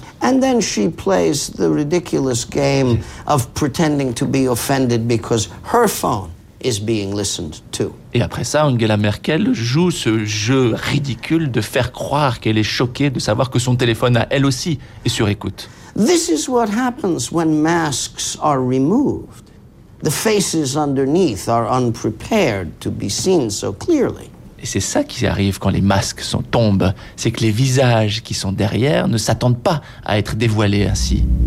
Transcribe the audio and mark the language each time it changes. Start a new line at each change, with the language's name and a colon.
English: And then she plays the ridiculous game of pretending to be offended because her phone is being listened to.
French: Et après ça, Angela Merkel joue ce jeu ridicule de faire croire qu'elle est choquée de savoir que son téléphone à elle aussi est sur écoute.
English: This is what happens when masks are removed. The faces underneath are unprepared to be seen so clearly.
French: Et c'est ça qui arrive quand les masques tombent, c'est que les visages qui sont derrière ne s'attendent pas à être dévoilés ainsi.